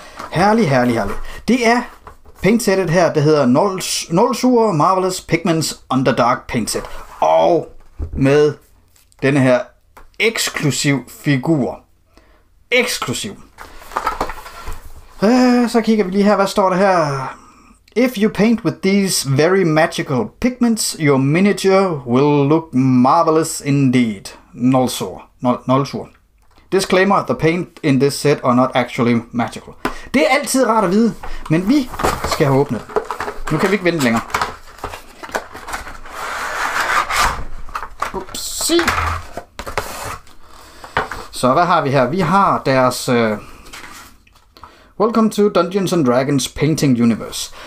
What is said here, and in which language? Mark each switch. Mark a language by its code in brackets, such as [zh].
[da] Herlig, herlig, herlig. Det er paintsettet her, det hedder Nolsur Marvelous Pigments Underdark Paintset. Og med denne her eksklusiv figur. Eksklusiv. Så kigger vi lige her. Hvad står der her? [en] If you paint with these very magical pigments, your miniature will look marvelous indeed. Nolsur. Disclaimer, the paint in this set are not actually magical. [da] Det er altid rart at vide, men vi skal have åbnet. Nu kan vi ikke vente længere. Upsie. Så hvad har vi her? Vi har deres Welcome to Dungeons & Dragons Painting Universe.